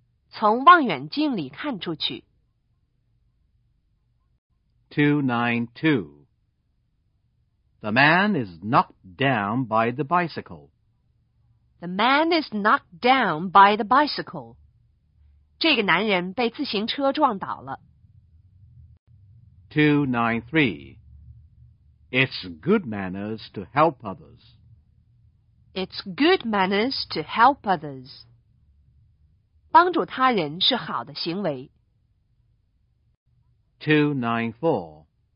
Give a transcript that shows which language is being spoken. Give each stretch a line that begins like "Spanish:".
Chinese: 从望远镜里看出去。
English: 292. The man is knocked down by the bicycle. The man is knocked down by the bicycle.
Chinese: 这个男人被自行车撞倒了。
English: 293. It's good manners to help others. It's good manners to help others.
Chinese: 帮助他人是好的行为。
English: 294.